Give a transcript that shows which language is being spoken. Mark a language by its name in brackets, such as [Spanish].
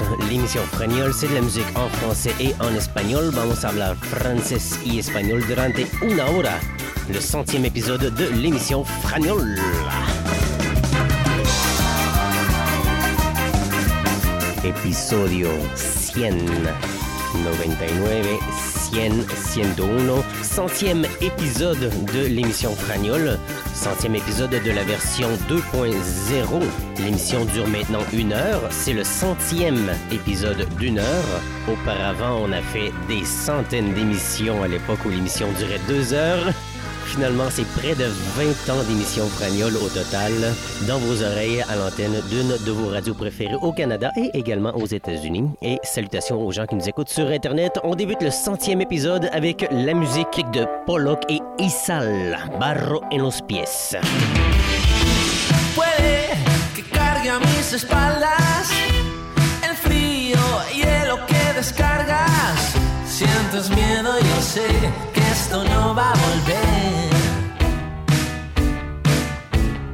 [French] L'émission Fragnol, c'est de la musique en français et en espagnol. [Spanish] Vamos a hablar francés y español durante una hora. [French] Le centième épisode de l'émission Fragnol. [Spanish] Episodio 100, 99, 100, 101. [French] Centième épisode de l'émission Fragnol. Centième épisode de la version 2.0. L'émission dure maintenant une heure. C'est le centième épisode d'une heure. Auparavant, on a fait des centaines d'émissions à l'époque où l'émission durait deux heures. Finalement, c'est près de 20 ans d'émissions Fragnol au total dans vos oreilles à l'antenne d'une de vos radios préférées au Canada et également aux États-Unis. Et salutations aux gens qui nous écoutent sur Internet. On débute le centième épisode avec la musique de Pollock et Isal, Barro en los pies. [Spanish] Puede que cargue a mis espaldas el frío y el lo que descargas. Sientes miedo, yo sé que esto no va a volver.